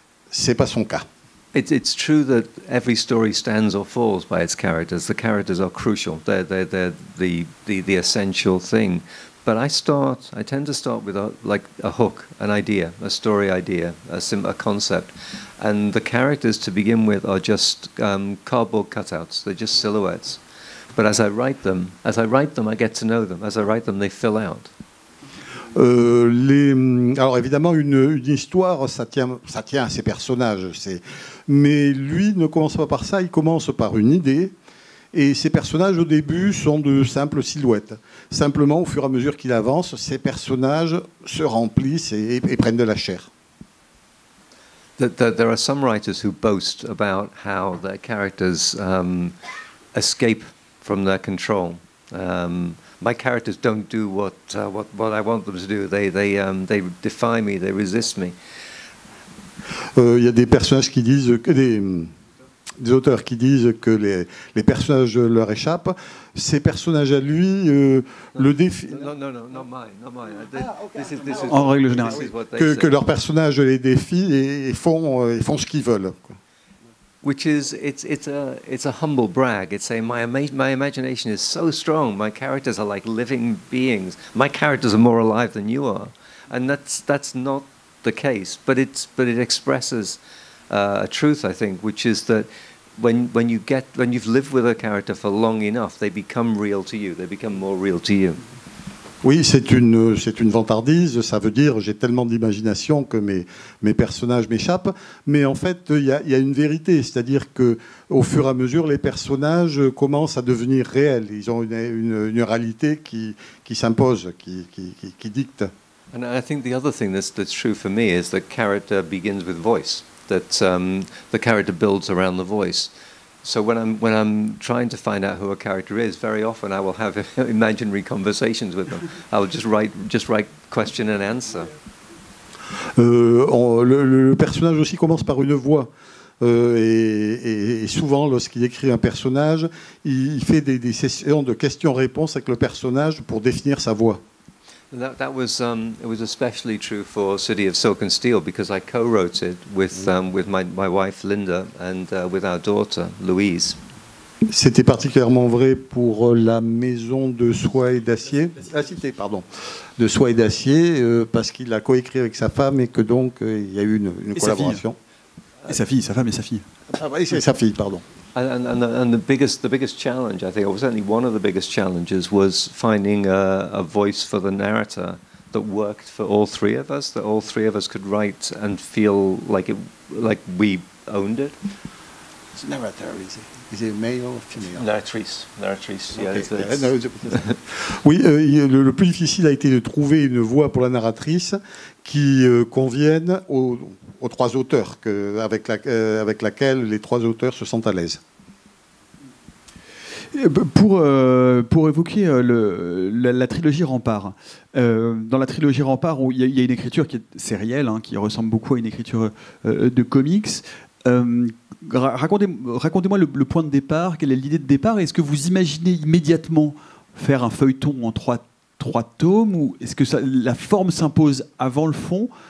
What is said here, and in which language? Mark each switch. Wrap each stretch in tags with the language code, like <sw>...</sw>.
<fr>C'est pas son cas.</fr> <en>It's true that every story stands or falls by its characters. The characters are crucial. They're the essential thing. But I tend to start with a hook, an idea, a story idea, a concept, and the characters to begin with are just cardboard cutouts. They're just silhouettes. But as I write them, I get to know them. As I write them, they fill out.</en> <fr>Alors évidemment, une histoire, ça tient à ses personnages. Mais lui ne commence pas par ça. Il commence par une idée. Et ces personnages, au début, sont de simples silhouettes. Simplement, au fur et à mesure qu'il avance, ces personnages se remplissent et prennent de la chair.</fr> <en>There are some writers who boast about how their characters escape from their control. My characters don't do what I want them to do. They defy me, they resist me.</en> <fr>Il y a des personnages qui disent que des auteurs qui disent que les personnages leur échappent, ces personnages à lui le défient. Non, en règle générale, que leurs personnages les défient et font ce qu'ils veulent.</fr> <en>Which is it's a humble brag. It's saying my imagination is so strong. My characters are like living beings. My characters are more alive than you are, and that's not the case. But it expresses a truth, I think, which is that when you've lived with a character for long enough, they become real to you. They become more real to you.</en> <fr>Oui, c'est une vantardise. Ça veut dire j'ai tellement d'imagination que mes personnages m'échappent. Mais en fait, il y a une vérité, c'est-à-dire que au fur et à mesure, les personnages commencent à devenir réels. Ils ont une réalité qui s'impose, qui dicte.</fr> <en>And I think the other thing that's true for me is that character begins with voice. That the character builds around the voice. So when I'm trying to find out who a character is, very often I will have imaginary conversations with them. I will just write question and answer.</en> <fr>Le personnage aussi commence par une voix. Et souvent, lorsqu'il écrit un personnage, il fait des sessions de questions-réponses avec le personnage pour définir sa voix.</fr> <en>That was it was especially true for City of Silk and Steel because I co-wrote it with my wife Linda and with our daughter Louise.</en> <fr>C'était particulièrement vrai pour la maison de soie et d'acier. La cité, pardon, de soie et d'acier, parce qu'il a coécrit avec sa femme et que donc il y a eu une collaboration. Et sa fille, sa femme et sa fille. Et sa fille, pardon.</fr> <en>And the biggest challenge, I think, or certainly one of the biggest challenges, was finding a voice for the narrator that worked for all three of us, that all three of us could write and feel like we owned it. It's narrator, is it male or female?</en> <fr>Narratrice.</fr> <en>Okay.</en> <fr>Yeah, oui, le plus difficile a été de trouver une voix pour la narratrice qui convienne aux trois auteurs, avec laquelle les trois auteurs se sentent à l'aise. Pour évoquer la trilogie Rempart, dans la trilogie Rempart, où il y a une écriture qui est sérielle, hein, qui ressemble beaucoup à une écriture de comics, racontez-moi le point de départ, quelle est l'idée de départ, est-ce que vous imaginez immédiatement faire un feuilleton en trois tomes, ou est-ce que la forme s'impose avant le fond?</fr>